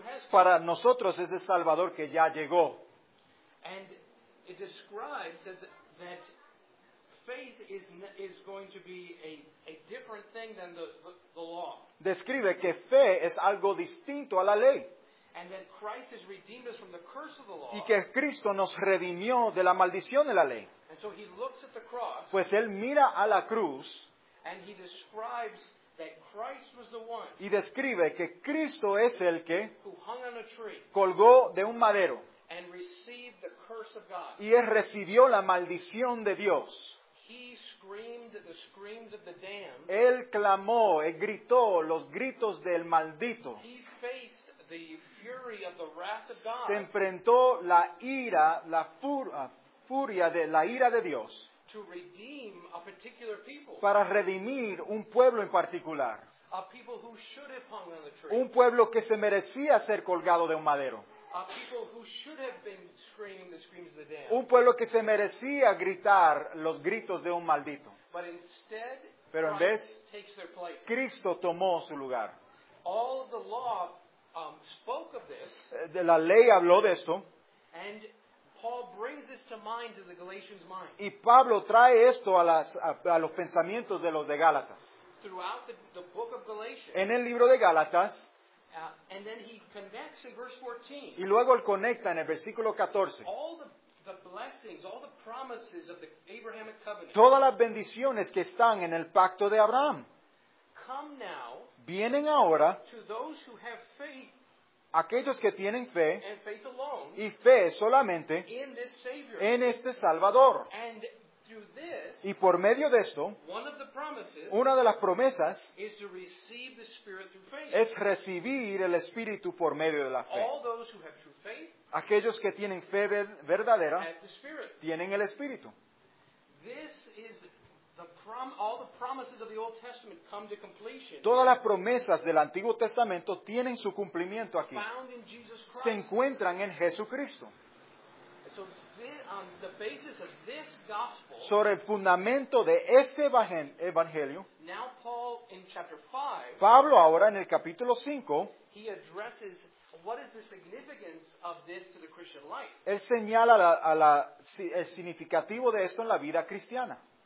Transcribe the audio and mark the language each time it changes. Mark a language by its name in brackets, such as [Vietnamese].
[Spanish] Para nosotros es el Salvador que ya llegó. [English] It describes that faith is going to be a different thing than the law. [Spanish] Describe que fe es algo distinto a la ley. [English] And that Christ has redeemed us from the curse of the law. [Spanish] Y que Cristo nos redimió de la maldición de la ley. [English] And so he looks at the cross. [Spanish] Pues él mira a la cruz. [English] And he describes that Christ was the one. [Spanish] Y describe que Cristo es el que [English] who hung on a tree. [Spanish] Colgó de un madero. [English] And received the curse of God. [Spanish] Y él recibió la maldición de Dios. [English] He screamed the screams of the damned. [Spanish] Él clamó, él gritó los gritos del maldito. [English] He faced the fury of the wrath of God. [Spanish] Se enfrentó la ira, la furia de la ira de Dios. [English] To redeem a particular people. [Spanish] Para redimir un pueblo en particular. [English] A people who should have hung on the tree. [Spanish] Un pueblo que se merecía ser colgado de un madero. [English] A people who should have been screaming the screams of the damned. [Spanish] Un pueblo que se merecía gritar los gritos de un maldito. [English] But instead, [Spanish] pero en vez, [English] Christ takes their place. [Spanish] Cristo tomó su lugar. [English] All the law, spoke of this, [Spanish] de la ley habló de esto. [English] And Paul brings this to mind, to the Galatians' mind. [Spanish] Y Pablo trae esto a los pensamientos de los de Gálatas. [English] Throughout the book of Galatians, [Spanish] en el libro de Gálatas. [English] And then he connects in verse 14. [Spanish] Y luego él conecta en el versículo 14. [English] All the blessings, all the promises of the Abrahamic covenant. [Spanish] Todas las bendiciones que están en el pacto de Abraham. [English] Come now. [Spanish] Vienen ahora. [English] To those who have faith. [Spanish] Aquellos que tienen fe. [English] And faith alone. [Spanish] Y fe solamente. [English] In this Savior. [Spanish] En este Salvador. [English] And through this. [Spanish] Y por medio de esto. [English] One of the promises. [Spanish] Una de las promesas. [English] Is to receive the Spirit through faith. [Spanish] Es recibir el Espíritu por medio de la fe. [English] All those who have true faith. [Spanish] Aquellos que tienen fe verdadera. [English] Have the Spirit. [Spanish] Tienen el Espíritu. [English] This is the all the promises of the Old Testament come to completion. [Spanish] Todas las promesas del Antiguo Testamento tienen su cumplimiento aquí. [English] Found in Jesus Christ. [Spanish] Se encuentran en Jesucristo. [English] On the basis of this gospel, [Spanish] sobre el fundamento de este evangelio, [English] now Paul in chapter 5, [Spanish] Pablo ahora en el capítulo 5, [English] he addresses what is the significance of this to the Christian life. [Spanish] Él señala el significativo de esto en la vida cristiana.